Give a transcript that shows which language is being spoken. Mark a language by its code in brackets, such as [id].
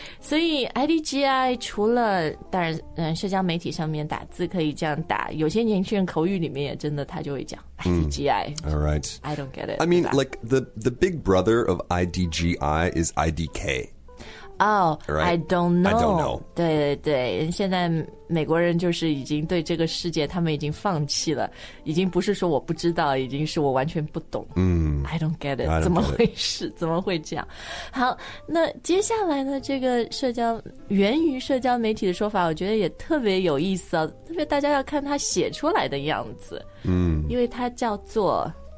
[zh] 所以 IDGI 除了当然社交媒体上面打字可以这样打有些年轻人口语里面也真的他就会讲 IDGI.、 [en] All right. I don't get it. I mean, like, the big brother of IDGI is IDK. Oh,、 right? I don't know. I don't know. [zh] 对对对。现在美国人就是已经对这个世界他们已经放弃了已经不是说我不知道已经是我完全不懂、 [en] I don't get it don't [zh] 怎么回事怎么会这样好那接下来呢这个社交源于社交媒体的说法我觉得也特别有意思、特别大家要看它写出来的样子、因为它叫做